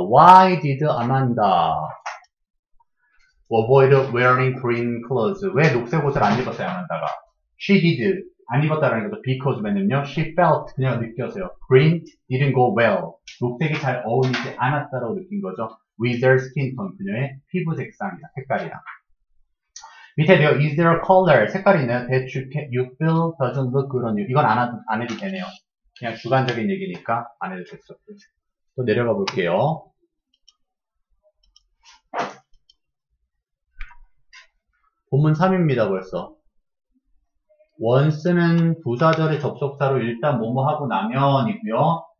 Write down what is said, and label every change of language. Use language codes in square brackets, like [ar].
[en] Why did Amanda avoid wearing green clothes? [ko] 왜 녹색 옷을 안 입었어요, Amanda가? [en] She did. [ko] 안 입었다라는 것도 because 맨는요. [en] She felt. [ko] 그냥 느꼈어요. [en] Green didn't go well. [ko] 녹색이 잘 어울리지 않았다라고 느낀 거죠. [en] With her skin tone. [ko] 그녀의 피부 색상이나 색깔이나. 밑에 되어 [en] is there a color? [ko] 색깔이 있나요? [en] That you feel doesn't look good on you. [ko] 이건 안 해도 되네요. 그냥 주관적인 얘기니까 안 해도 됐어. 또 내려가 볼게요. 본문 3입니다, 벌써. once는 부사절의 접속사로 일단 뭐뭐 하고 나면이고요.